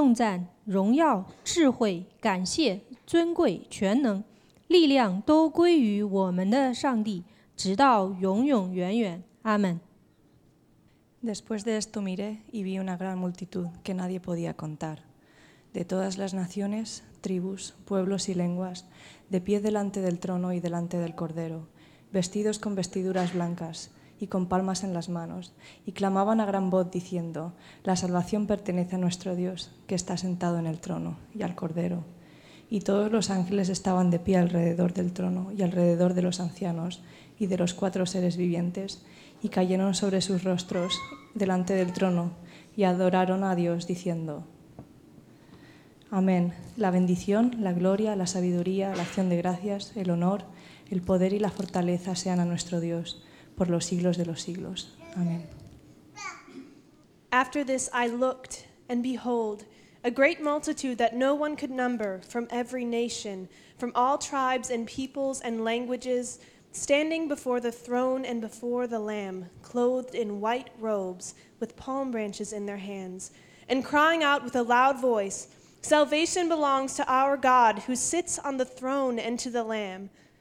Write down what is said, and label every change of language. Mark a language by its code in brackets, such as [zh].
[zh] 站在宝座和羔羊面前，身穿白衣，手拿棕树枝，大声喊着说：“愿救恩归于坐在宝座上我们的上帝，也归于羔羊。”众人天使都站在宝座和众长老以及四个活物的周围，俯伏在宝座前敬拜上帝，说：“阿门！颂赞、荣耀、智慧、感谢。” 尊贵、全能、力量都归于我们的上帝，直到永永远远。阿门。 [es] Después de esto miré y vi una gran multitud que nadie podía contar, de todas las naciones, tribus, pueblos y lenguas, de pie delante del trono y delante del cordero, vestidos con vestiduras blancas y con palmas en las manos, y clamaban a gran voz diciendo: La salvación pertenece a nuestro Dios que está sentado en el trono y al cordero. Y todos los ángeles estaban de pie alrededor del trono y alrededor de los ancianos y de los cuatro seres vivientes y cayeron sobre sus rostros delante del trono y adoraron a Dios diciendo Amén. La bendición, la gloria, la sabiduría, la acción de gracias, el honor, el poder y la fortaleza sean a nuestro Dios por los siglos de los siglos. Amén. [en] After this I looked and behold a great multitude that no one could number from every nation, from all tribes and peoples and languages, standing before the throne and before the Lamb, clothed in white robes with palm branches in their hands, and crying out with a loud voice, Salvation belongs to our God who sits on the throne and to the Lamb.